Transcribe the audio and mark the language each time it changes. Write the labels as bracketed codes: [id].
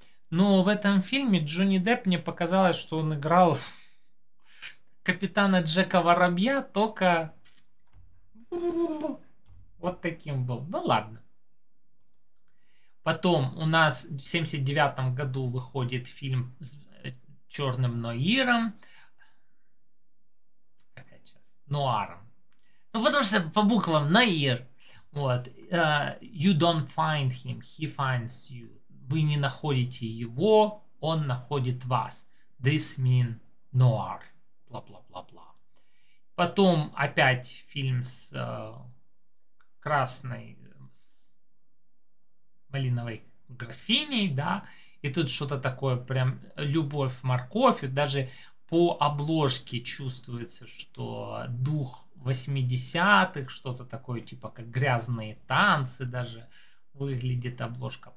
[ru] Но в этом фильме Джонни Депп мне показалось, что он играл капитана Джека Воробья, только вот таким был. Ну ладно. Потом у нас в 79 году выходит фильм с Черным Ноиром. Нуаром. Ну потому что по буквам Ноир. Вот. [en] You don't find him, he finds you. [ru] Вы не находите его, он находит вас. [en] This mean noir. Бла-бла-бла-бла. [ru] Потом опять фильм с красной малиновой графиней, да, и тут что-то такое прям любовь-морковь, и даже по обложке чувствуется, что дух 80-х, что-то такое, типа как грязные танцы даже выглядит обложка.